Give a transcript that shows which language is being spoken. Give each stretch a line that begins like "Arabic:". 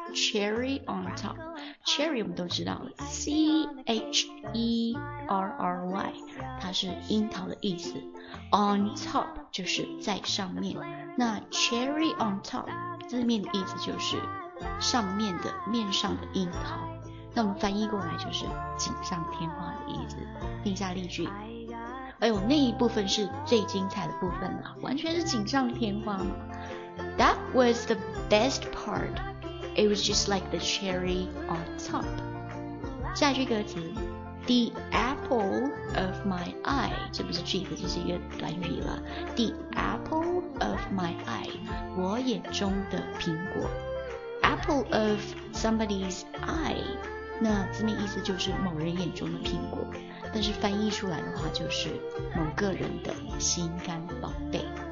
Chinese: cherry on top. Cherry 我们都知道 C-H-E-R-R-Y 它是樱桃的意思， on top 就是在上面，那 cherry on top 字面的意思就是上面的，面上的樱桃，那我们翻译过来就是锦上添花的意思。念下例句。哎呦，那一部分是最精彩的部分了，完全是锦上添花嘛。
English: That was the best part. It was just like the cherry on top.
Chinese: 下一句歌词
English: The apple of my eye.
Chinese: 这不是句子，这是一个短语了。
English: The apple of my eye.
Chinese: 我眼中的苹果。
English: Apple of somebody's eye.
Chinese: 那字面意思就是某人眼中的苹果，但是翻译出来的话就是某个人的心肝宝贝。